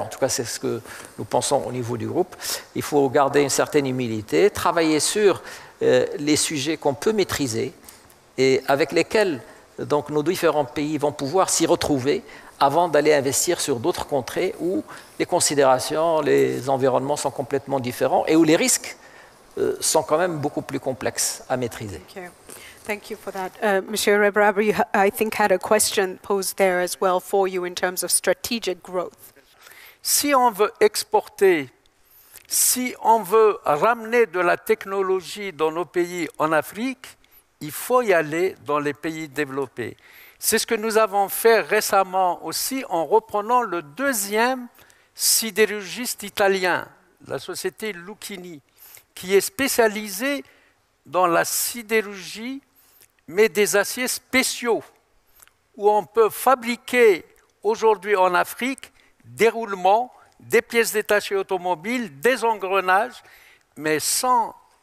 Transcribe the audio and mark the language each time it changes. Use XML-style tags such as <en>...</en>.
<fr>En tout cas, c'est ce que nous pensons au niveau du groupe. Il faut garder une certaine humilité, travailler sur les sujets qu'on peut maîtriser et avec lesquels donc, nos différents pays vont pouvoir s'y retrouver avant d'aller investir sur d'autres contrées où les considérations, les environnements sont complètement différents et où les risques sont quand même beaucoup plus complexes à maîtriser.</fr> <en>Thank you. Thank you for that. Monsieur Rebrabra, you I think had a question posed there as well for you in terms of strategic growth.</en> <fr>Si on veut exporter, si on veut ramener de la technologie dans nos pays en Afrique, il faut y aller dans les pays développés. C'est ce que nous avons fait récemment aussi en reprenant le deuxième sidérurgiste italien, la société Lucchini, qui est spécialisée dans la sidérurgie, mais des aciers spéciaux, où on peut fabriquer aujourd'hui en Afrique des roulements, des pièces détachées automobiles, des engrenages, mais sans</fr>